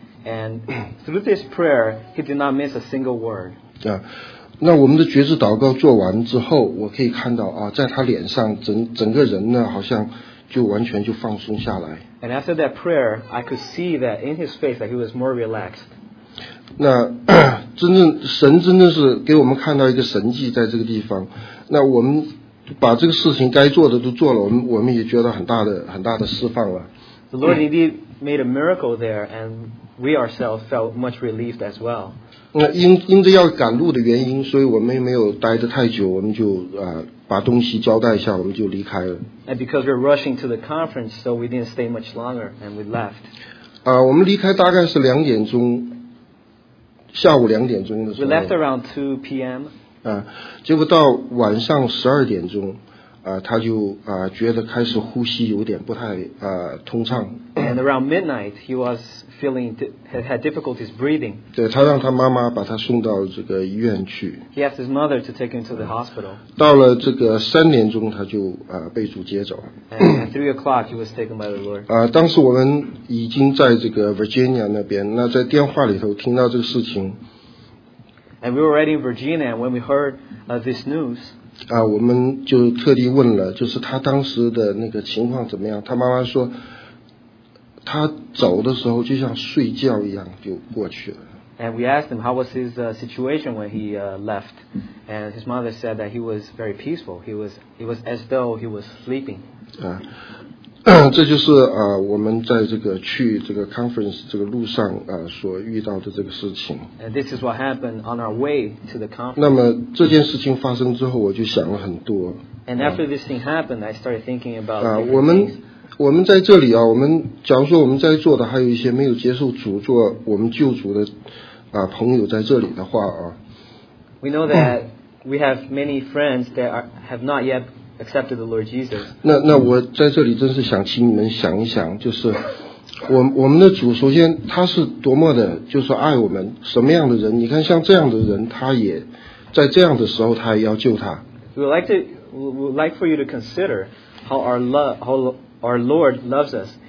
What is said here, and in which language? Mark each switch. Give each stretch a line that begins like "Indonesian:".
English: And through this prayer, he did not miss a single word.
Chinese: 那我们的决志祷告做完之后，我可以看到啊，在他脸上整个人呢，好像。就完全就放松下来。
English: And after that prayer, I could see that in his face that he was more relaxed.
Chinese: 那真正神真的是给我们看到一个神迹在这个地方。那我们把这个事情该做的都做了，我们也觉得很大的释放了。
English: The Lord indeed made a miracle there, and we ourselves felt much relieved as well.
Chinese: 那因着要赶路的原因，所以我们也没有待得太久，我们就啊。把东西交代一下，我们就离开了。
English: And because we're rushing to the conference, so we didn't stay much longer, and we left.
Chinese: 我们离开大概是两点钟，下午两点钟的时候。
English: We left around 2 p.m.
Chinese: 结果到晚上12点钟，他就觉得开始呼吸有点不太通畅。
English: And around midnight, he was feeling had difficulties breathing.
Chinese: 对，他让他妈妈把他送到这个医院去。
English: He asked his mother to take him to the hospital.
Chinese: 到了这个3点钟，他就被主接走。
English: And at 3 o'clock, he was taken by the Lord.
Chinese: 当时我们已经在这个 Virginia 那边，那在电话里头听到这个事情。
English: And we were already in Virginia when we heard this news.
Chinese: 我们就特地问了，就是他当时的那个情况怎么样？他妈妈说。他走的时候就像睡觉一样就过去了。
English: And we asked him how was his situation when he left, and his mother said that he was very peaceful. He was as though he was sleeping.
Chinese: 这就是我们在这个去这个 conference 这个路上所遇到的这个事情。
English: And this is what happened on our way to the conference.
Chinese: 那么这件事情发生之后，我就想了很多。
English: And after this thing happened, I started thinking about.
Chinese: 我们在这里啊，我们假如说我们在座的还有一些没有接受主做我们救主的朋友在这里的话啊。
English: We know that we have many friends that have not yet accepted the Lord Jesus.
Chinese: 那我在这里真是想请你们想一想，就是我们的主首先他是多么的就是爱我们，什么样的人，你看像这样的人他也在这样的时候他也要救他。
English: We would like for you to consider how our Lord loves us.